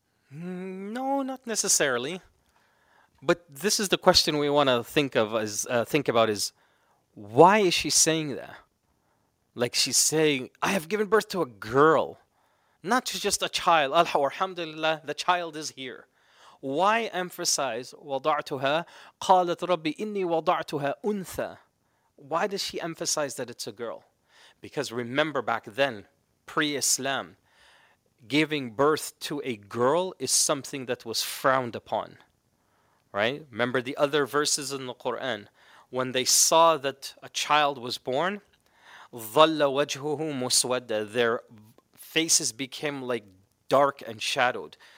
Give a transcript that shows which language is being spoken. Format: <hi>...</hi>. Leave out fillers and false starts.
<en>No, not necessarily. But this is the question we want to think about is, why is she saying that? Like she's saying, I have given birth to a girl, not to just a child. Alhamdulillah, the child is here. Why emphasize,</en> <ar>وَضَعْتُهَا قَالَتْ رَبِّ إِنِّي وَضَعْتُهَا أُنْثَى.</ar> <en>Why does she emphasize that it's a girl? Because remember back then, pre-Islam, giving birth to a girl is something that was frowned upon. Right? Remember the other verses in the Quran. When they saw that a child was born,</en> <ar>ظَلَّ وَجْهُهُ مُسْوَدَّ,</ar> <en>their faces became like dark and shadowed.</en>